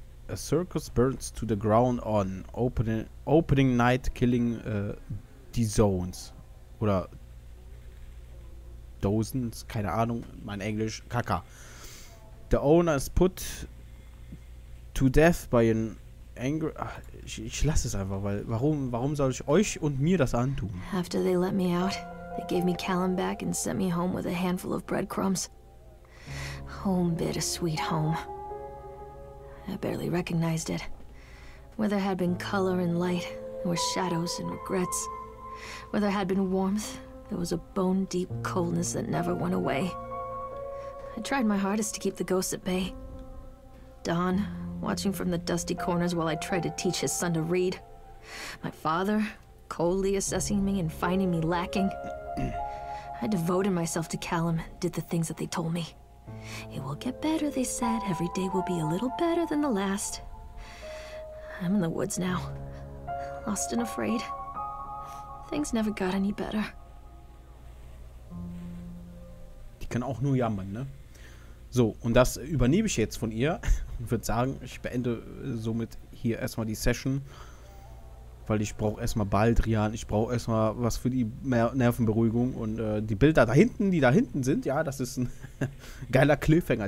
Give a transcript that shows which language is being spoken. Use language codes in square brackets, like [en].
[en] A circus burns to the ground on opening night, killing the zones. [de] Oder Dozens, keine Ahnung, mein Englisch, Kaka. [en] The owner is put to death by an angry... [de] Ach, ich lasse es einfach, weil warum soll ich euch und mir das antun? [en] After they let me out, they gave me Callum back and sent me home with a handful of breadcrumbs. Home bit a sweet home. I barely recognized it. Where there had been color and light, there were shadows and regrets. Where there had been warmth, there was a bone-deep coldness that never went away. I tried my hardest to keep the ghosts at bay. Don, watching from the dusty corners while I tried to teach his son to read. My father, coldly assessing me and finding me lacking. I devoted myself to Callum and did the things that they told me. It will get better, they said. Every day will be a little better than the last. I'm in the woods now, lost and afraid. Things never got any better. [de] Die kann auch nur jammern, ne? So, und das übernehme ich jetzt von ihr. Ich würde sagen, ich beende somit hier erstmal die Session. Weil ich brauche erstmal Baldrian. Ich brauche erstmal was für die Nervenberuhigung. Und die Bilder da hinten, die da hinten sind, ja, das ist ein geiler Cliffhanger.